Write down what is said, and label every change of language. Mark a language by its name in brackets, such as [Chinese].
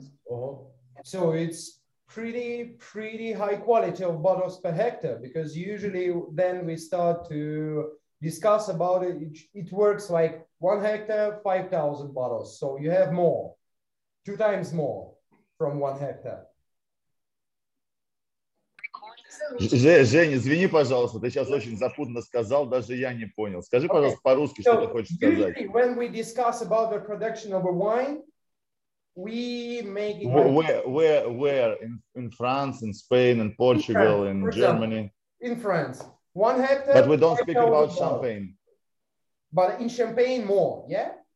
[English] Oh, so it's pretty high quality of bottles per hectare, because usually then we start to discuss about it. It works like 1 hectare, 5,000 bottles. So you have more, 2 times more from 1 hectare. [Russian] Женя, извини, пожалуйста, ты сейчас очень запутанно сказал, даже я не понял. Скажи, пожалуйста, по-русски, что ты хочешь сказать. [English] Usually, when we discuss about the production of a wine, we make it... Where? In France, in Spain, in Portugal, in Germany? In France. 1 hectare... But we don't speak about champagne. But in champagne, more, yeah?